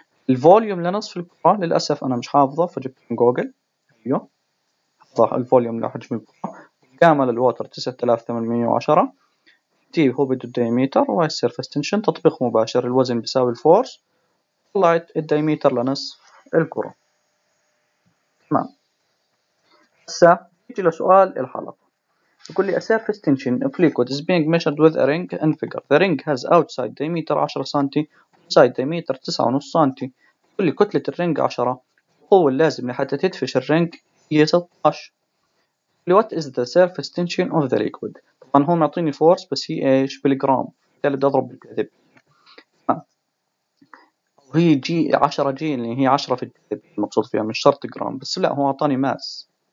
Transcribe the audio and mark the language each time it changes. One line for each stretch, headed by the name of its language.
Arabic: الفوليوم لنصف الكرة للأسف أنا مش حافظه فجبت من جوجل، أيوه صح الفوليوم لحجم الكرة. جاما للووتر 9810، دي هو بده الدايميتر، وهي السيرفيس تنشن تطبيق مباشر، الوزن بيساوي الفورس، طلعت الدايميتر لنصف الكرة. تمام. هسا يجي لسؤال الحلقة، يقول لي
English: a surface tension of liquid is being measured with a ring in figure. The ring has outside diameter 10 سنتي وside diameter 9.5 سنتي.
Arabic: يقول لي كتلة الرنج 10، هو اللازم لحتى تدفش الرنج هي 16.
English: What is the surface tension of the liquid؟
Arabic: طبعا هو معطيني force بس هي ايش بالجرام، قال بدي اضرب بالجاذب، وهي جي 10 جي اللي هي 10 في الجاذب المقصود فيها، مش شرط جرام بس، لا هو اعطاني ماس.